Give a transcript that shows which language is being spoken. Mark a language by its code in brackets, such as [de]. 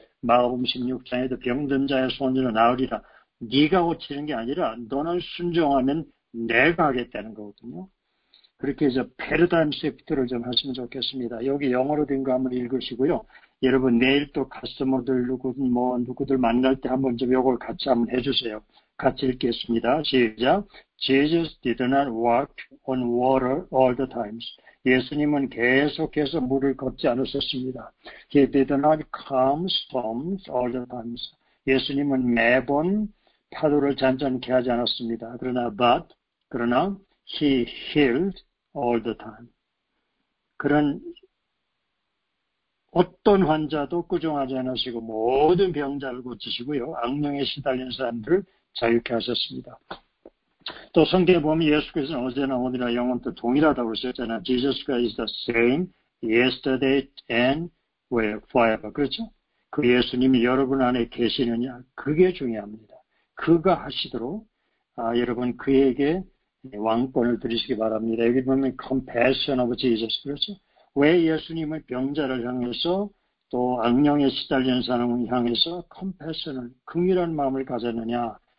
[ko] 마가복음 16장에도 병든 자의 손으로 나으리라. 네가 고치는 게 아니라 너는 순종하면 내가 하겠다는 거거든요. 그렇게 이제 패러다임 시프트를 좀 하시면 좋겠습니다. 여기 영어로 된거 한번 읽으시고요. 여러분 내일 또 커스터머들 누구들 만날 때 한번 좀 요걸 같이 한번 해주세요. 같이 읽겠습니다. 시작. [en] Jesus did not walk on water all the times. [ko] 예수님은 계속해서 물을 걷지 않으셨습니다. [en] He did not calm storms all the times. [ko] 예수님은 매번 파도를 잔잔케 하지 않았습니다. 그러나 [en] He healed all the time. [ko] 그런 어떤 환자도 꾸중하지 않으시고 모든 병자를 고치시고요. 악령에 시달린 사람들을 자유케 하셨습니다. 또 성경에 보면 예수께서는 어제나 오늘이나 영원토록 동일하다고 그러셨잖아요. [en] Jesus Christ is the same yesterday and forever. [ko] 그렇죠? 그 예수님이 여러분 안에 계시느냐? 그게 중요합니다. 그가 하시도록 여러분 그에게 왕권을 드리시기 바랍니다. 여기 보면 [en] Compassion of Jesus, [ko] 그렇죠? 왜 예수님은 병자를 향해서 또 악령에 시달리는 사람을 향해서 Compassion을, 긍휼한 마음을 가졌느냐?